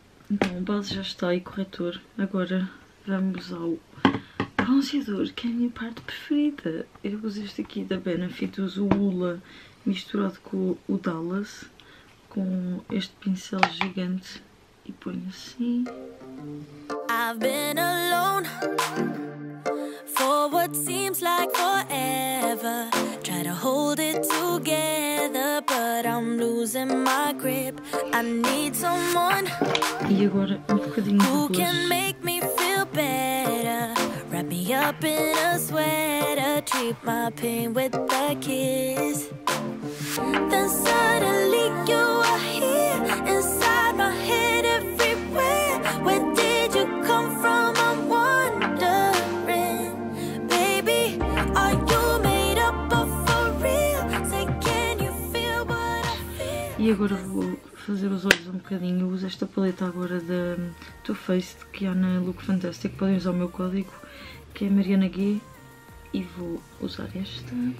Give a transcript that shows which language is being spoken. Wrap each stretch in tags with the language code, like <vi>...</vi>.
<pt>Então, base já está e corretor. Agora vamos ao bronzeador, que é a minha parte preferida. Eu uso este aqui da Benefit, uso o Ula misturado com o Dallas. Com este pincel gigante e ponho assim.</pt> <en>I've been alone for what seems like forever. Try to hold it together, but I'm losing my grip. I need someone.</en> <pt>E agora um bocadinho de</pt> <en>can make me feel better. Wrap me up in a sweater. Treat my pain with a kiss. Then suddenly you are here inside my head everywhere. Where did you come from? I'm wondering, baby. Are you made up of for real? Say, can you feel what I feel?</en> <pt>E agora vou fazer os olhos um bocadinho. Eu uso esta paleta agora da Too Faced, que há na Look Fantastic. Podem usar o meu código, que é Mariana Gui. E vou usar esta.</pt>